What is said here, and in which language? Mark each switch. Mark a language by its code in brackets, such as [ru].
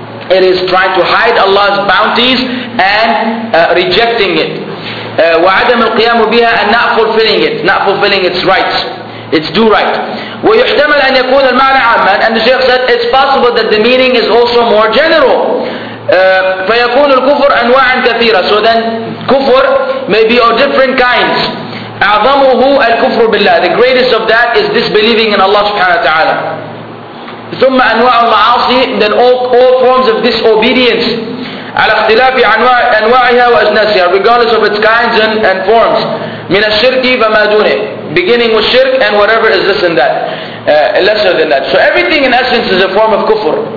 [en] It is trying to hide Allah's bounties and rejecting it. [ar] وعدم القيام بها, [en] and not fulfilling it, not fulfilling its rights, its due right. [ar] ويحتمل أن يكون المعنى عاما, [en] and the Shaykh said it's possible that the meaning is also more general. [ar] فيكون الكفر أنواعا كثيرة. [en] So then كفر may be of different kinds. [ar] أعظمه الكفر بالله. [en] The greatest of that is disbelieving in Allah subhanahu wa ta'ala. [ar] ثم أنواع المعاصي, [en] then all forms of disobedience, [ar] على اختلاف أنواعها وأجناسها, [en] regardless of its kinds and forms, [ar] من الشرك فما دونه, [en] beginning with shirk and whatever is this and that, lesser than that. So everything in essence is a form of kufr,